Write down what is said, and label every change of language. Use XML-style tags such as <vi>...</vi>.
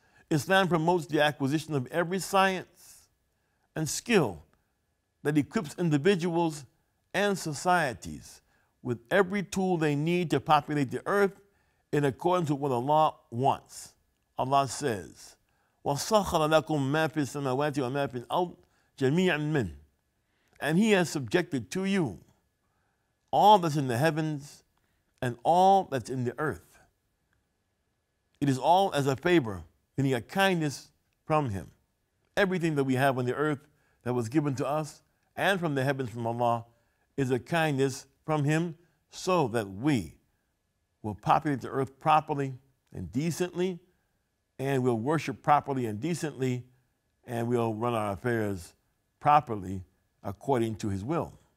<en>Islam promotes the acquisition of every science and skill that equips individuals and societies with every tool they need to populate the earth in accordance with what Allah wants. Allah says,</en> <ar>وَسَخَّرَ لَكُمْ مَا فِي السَّمَوَاتِ وَمَا فِي الْأَرْضِ جَمِيعًا مِنْ.</ar> <en>And he has subjected to you all that's in the heavens and all that's in the earth. It is all as a favor, meaning a kindness from him. Everything that we have on the earth that was given to us and from the heavens from Allah is a kindness from him, so that we will populate the earth properly and decently, and we'll worship properly and decently, and we'll run our affairs properly according to his will.</en>